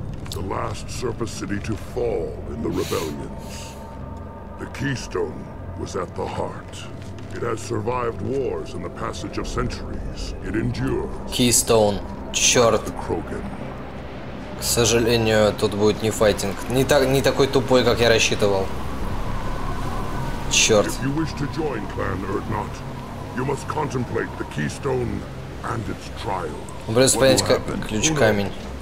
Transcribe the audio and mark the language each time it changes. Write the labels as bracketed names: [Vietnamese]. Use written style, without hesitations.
[English] The last surface city to fall in the rebellions. The Keystone was at the heart. It has survived wars and the passage of centuries. It endures. [Russian] Keystone. Черт. Кроген. К сожалению, тут будет не файтинг. Не такой тупой, как я рассчитывал. Черт. [English] If you wish to join Clan Erdnot, you must contemplate the Keystone and its trials. [Russian] Придется понять, как ключ-камень.